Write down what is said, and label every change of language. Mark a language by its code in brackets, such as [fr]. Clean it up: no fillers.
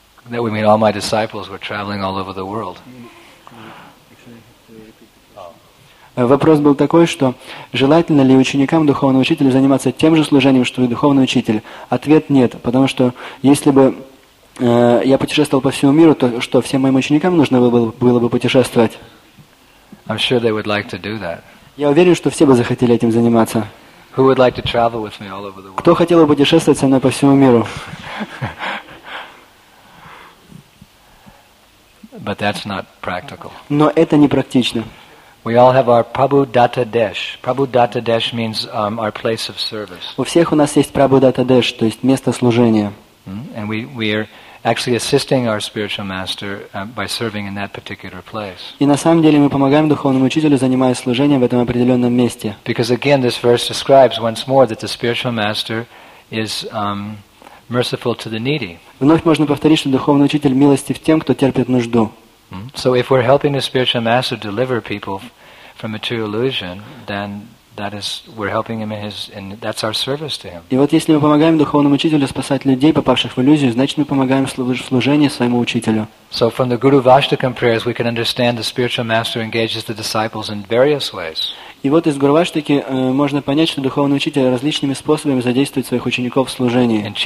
[en] That would mean all my disciples were traveling all over the world. [ru] Вопрос был такой, что желательно ли ученикам духовного учителя заниматься тем же служением, что и духовный учитель? Ответ нет, потому что если бы я путешествовал по всему миру, то что всем моим ученикам нужно было бы путешествовать? [en] I'm sure they would like to do that. [ru] Я уверен, что все бы захотели этим заниматься. [en] Who would like to travel with me all over the world? [ru] Кто хотел бы путешествовать со мной по всему миру? [en] But that's not practical. [ru] Но это не практично. [en] We all have our Prabhu Datta Desh. Prabhu Datta Desh means our place of service. [ru] У всех у нас есть Prabhu Datta Desh, то есть место служения. [en] And we are actually assisting our spiritual master by serving in that particular place. [ru] И на самом деле мы помогаем духовному учителю, занимаясь служением в этом определенном месте. [en] Because again, this verse describes once more that the spiritual master is merciful to the needy. [ru] Вновь можно повторить, что духовный учитель милостив тем, кто терпит нужду. [en] So if we're helping the spiritual master deliver people from material illusion, then that is we're helping him in his and that's our service to him. [ru] И вот если мы помогаем духовному учителю спасать людей, попавших в иллюзию, значит мы помогаем служению своему учителю. [en] So from the Guru Vashtakam prayers we can understand the spiritual master engages the disciples in various ways. [ru] И вот из Гурваштаки можно понять, что духовный учитель различными способами задействует своих учеников в служении.